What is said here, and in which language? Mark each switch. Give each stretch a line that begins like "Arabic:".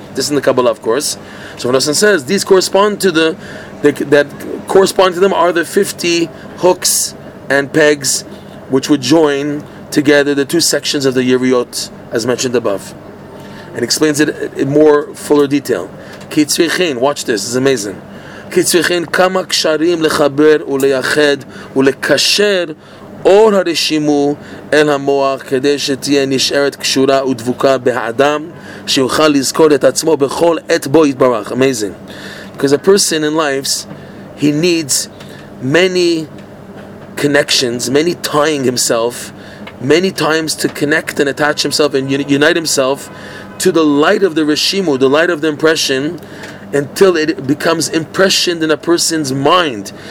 English: This is in the Kabbalah, of course. So Rav Nosson says these correspond to them are the 50 hooks and pegs which would join together the two sections of the Yiriot as mentioned above, and explains it in more fuller detail. Kitzvichin, watch this, it's amazing.
Hebrew: Kitzvichin kama ksharim lechaber uleyached ulekasher אור הרשימו אל המוח כדי שתהיה נשארת קשורה ודבוקה באדם שיוכל לזכור את עצמו בכל עת בו יתברך.
English: Amazing. Because a person in life, he needs many connections, many tying himself, many times to connect and attach himself and unite himself to the light of the Rishimu, the light of the impression, until it becomes impressioned in a person's mind.